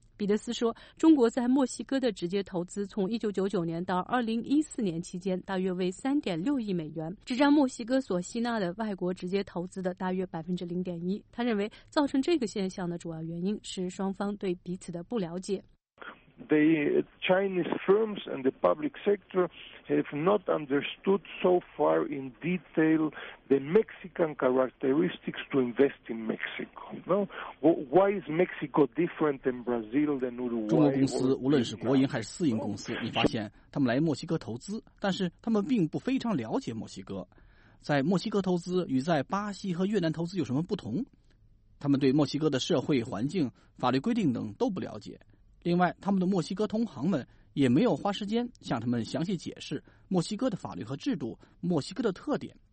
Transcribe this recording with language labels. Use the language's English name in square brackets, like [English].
[Chinese] 彼得斯说，中国在墨西哥的直接投资从1999年到2014年期间大约为3.6亿美元，只占墨西哥所吸纳的外国直接投资的大约0.1%。他认为造成这个现象的主要原因是双方对彼此的不了解。 [English] The Chinese firms and the public sector have not understood so far in detail the Mexican characteristics to invest in Mexico. Why is Mexico different than Brazil than Uruguay? [Chinese] 中国公司无论是国营还是私营公司，你发现他们来墨西哥投资，但是他们并不非常了解墨西哥。在墨西哥投资与在巴西和越南投资有什么不同？他们对墨西哥的社会环境、法律规定等都不了解。另外，他们的墨西哥同行们也没有花时间向他们详细解释墨西哥的法律和制度、墨西哥的特点。